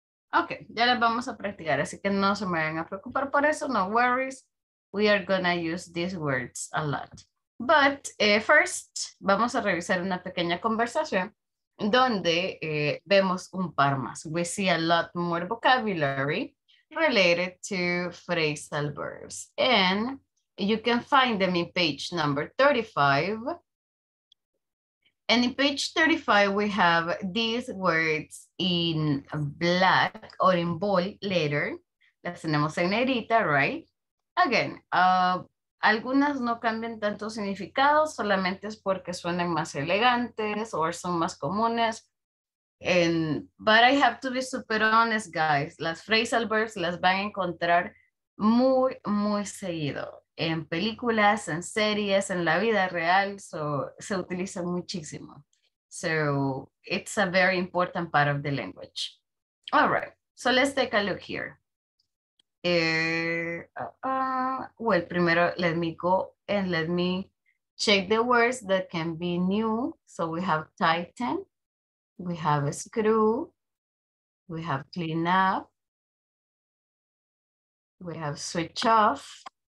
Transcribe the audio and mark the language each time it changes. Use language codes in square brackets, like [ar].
[es] Ok, ya las vamos a practicar, así que no se me vayan a preocupar por eso. [en] No worries. We are gonna use these words a lot. But first, [es] vamos a revisar una pequeña conversación donde vemos un par más. [en] We see a lot more vocabulary related to phrasal verbs. And you can find them in page number 35. And in page 35, we have these words in black or in bold letter. [es] Las tenemos en negrita, right? Again, algunas no cambian tanto significado, solamente es porque suenan más elegantes o son más comunes. [en] But I have to be super honest, guys. [es] Las phrasal verbs las van a encontrar muy, muy seguido. En películas, en series, en la vida real, so, se utiliza muchísimo. [en] So, it's a very important part of the language. All right, so let's take a look here. Well, primero, let me go and let me check the words that can be new. So, we have tighten, we have a screw, we have clean up, we have switch off.